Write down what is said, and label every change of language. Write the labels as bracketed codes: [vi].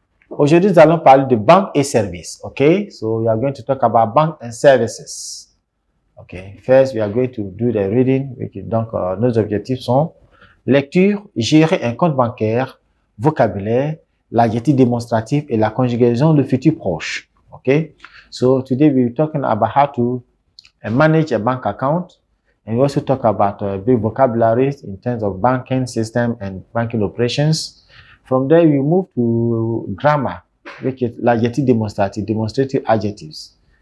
[fr] Aujourd'hui, nous allons parler de banque et services. OK? [en] So, we are going to talk about bank and services. OK? First, we are going to do the reading. Okay. [fr] Donc, nos objectifs sont lecture, gérer un compte bancaire, vocabulaire, l'adjectif démonstratif et la conjugaison du futur proche. OK? [en] So, today, we're talking about how to manage a bank account. And we also talk about big vocabularies in terms of banking system and banking operations. From there, we move to grammar, which is l'adjectif démonstratif, demonstrative adjectives.